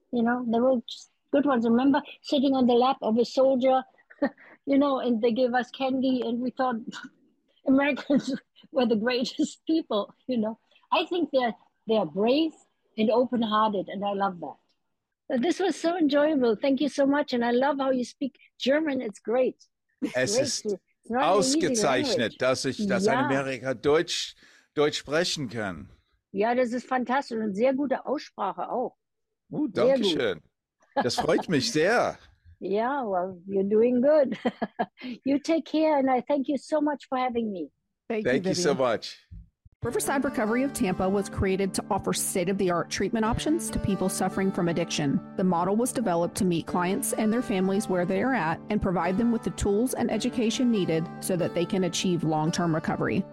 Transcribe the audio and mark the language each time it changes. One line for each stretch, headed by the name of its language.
English: You know, they were just good ones. I remember sitting on the lap of a soldier, you know, and they gave us candy, and we thought Americans were the greatest people. You know, I think they are brave and open-hearted, and I love that. This was so enjoyable. Thank you so much. And I love how you speak German. It's great.
German: Es ist ausgezeichnet, dass ich das in Amerika Deutsch sprechen kann. Ja, das ist fantastisch und sehr gute Aussprache auch. Oh, danke schön. Das freut mich sehr.
English: Yeah, well, you're doing good. You take care, and I thank you so much for having me. Thank you so much. Riverside Recovery of Tampa was created to offer state-of-the-art treatment options to people suffering from addiction. The model was developed to meet clients and their families where they are at and provide them with the tools and education needed so that they can achieve long-term recovery.